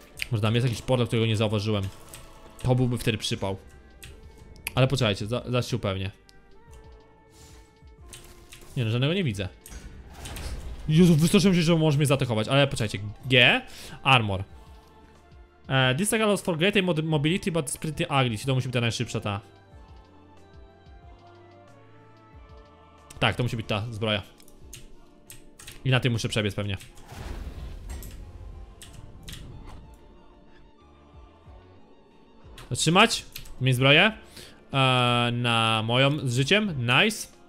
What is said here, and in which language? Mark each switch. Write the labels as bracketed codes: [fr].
[pl] Może tam jest jakiś portal, którego nie zauważyłem. To byłby wtedy przypał. Ale poczekajcie, zaraz się upewnię. Nie no, żadnego nie widzę. Jezu, wystraszyłem się, że możesz mnie zaatakować, ale poczekajcie. [en] G. Armor. This allows for greater mobility, but it's pretty ugly. [pl] To musi być ta najszybsza ta. Tak, to musi być ta zbroja. I na tym muszę przebiec pewnie. Zatrzymać. Zmień zbroję. Na moją z życiem. Nice.